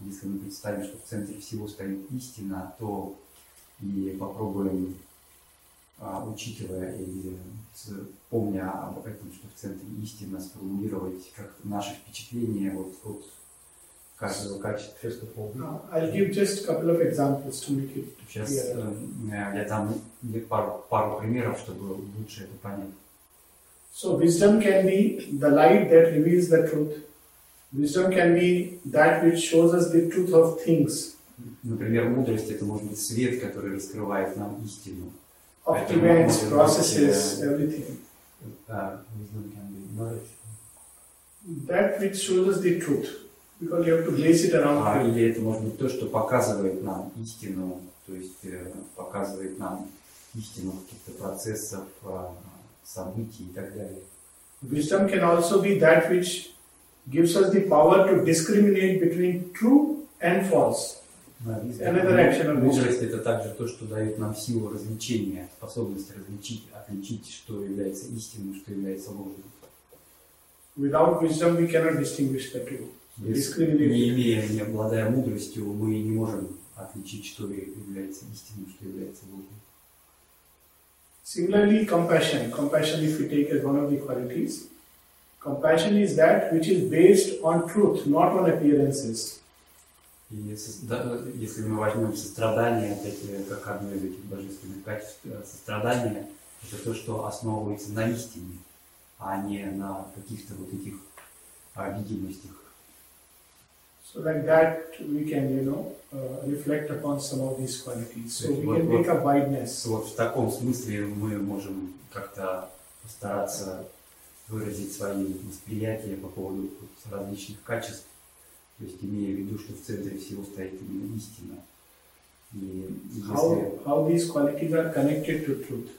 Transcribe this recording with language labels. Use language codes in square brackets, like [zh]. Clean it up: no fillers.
[ru] Если мы представим, что в центре всего стоит истина, то и попробуем, учитывая или помня об этом, что в центре истина, сформулировать как наше впечатление от каждого качества. [en] First of all, I'll give just a couple of examples to make it clear. [ru] Сейчас я дам пару примеров, чтобы лучше это понять. [en] So wisdom can be the light that reveals the truth. Wisdom can be that which shows us the truth of things. [ru] Например, мудрость — это может быть свет, который раскрывает нам истину. [en] Optimizes processes, everything. Wisdom can be knowledge. That which shows us the truth, because you have to base it around. [ru] Или это может быть то, что показывает нам истину, то есть показывает нам истину каких-то процессов, событий и так далее. [en] Wisdom can also be that which gives us the power to discriminate between true and false. [ru] Мудрость — это также то, что дает нам силу различения, способность различить, отличить, что является истинным, что является ложным. [en] Without wisdom we cannot distinguish the two. [ru] Не обладая мудростью, мы не можем отличить, что является истинным, что является ложным. [en] Similarly, compassion. Compassion, if we take as one of the qualities, compassion is that which is based on truth, not on appearances. [ru] И если мы возьмем сострадание, как одно из этих божественных качеств, сострадание — это то, что основывается на истине, а не на каких-то вот этих видимостях. [en] So like that we can, you know, reflect upon some of these qualities. So we can make a wideness. [ru] Вот в таком смысле мы можем как-то постараться выразить свои восприятия по поводу различных качеств. То есть имея в виду, что в центре всего стоит именно истина. [en] How these qualities are connected to truth?